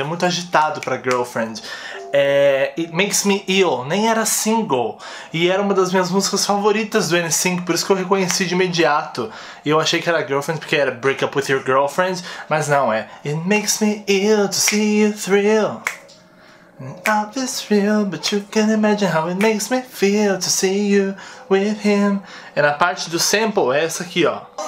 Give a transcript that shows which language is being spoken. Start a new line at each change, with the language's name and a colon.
Portuguese: É muito agitado pra Girlfriend. É, It Makes Me Ill. Nem era single. E era uma das minhas músicas favoritas do NSYNC. Por isso que eu reconheci de imediato. E eu achei que era Girlfriend porque era Break Up With Your Girlfriend. Mas não, é It Makes Me Ill To See You Thrill.
English: Out is real, but you can imagine how it makes me feel to see you with him.
Portuguese: É na parte do sample, é essa aqui, ó.